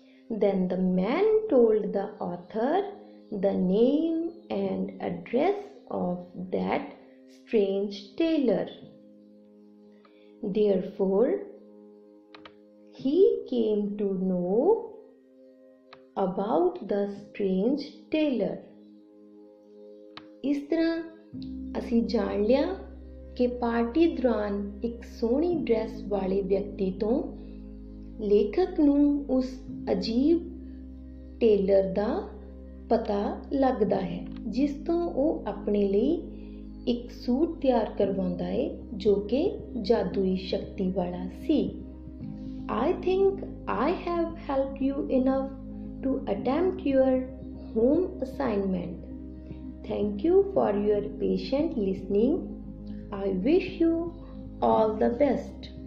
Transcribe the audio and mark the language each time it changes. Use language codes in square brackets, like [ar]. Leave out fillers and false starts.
[en] Then the man told the author the name and address of that strange tailor. Therefore, he came to know about the strange tailor. [pa] ਇਸ ਤਰ੍ਹਾਂ ਅਸੀਂ ਜਾਣ ਲਿਆ ਕਿ party ਦੌਰਾਨ ਇੱਕ ਸੋਹਣੀ ਡਰੈਸ ਵਾਲੇ ਵਿਅਕਤੀ ਤੋਂ ਲੇਖਕ ਨੂੰ ਉਸ ਅਜੀਬ ਟੇਲਰ ਦਾ ਪਤਾ ਲੱਗਦਾ ਹੈ, ਜਿਸ ਤੋਂ ਉਹ ਆਪਣੇ ਲਈ ਇੱਕ ਸੂਟ ਤਿਆਰ ਕਰਵਾਉਂਦਾ ਹੈ ਜੋ ਕਿ ਜਾਦੂਈ ਸ਼ਕਤੀ ਵਾਲਾ ਸੀ। [en] I think I have help you enough to attempt your home assignment. Thank you for your patient listening. I wish you all the best.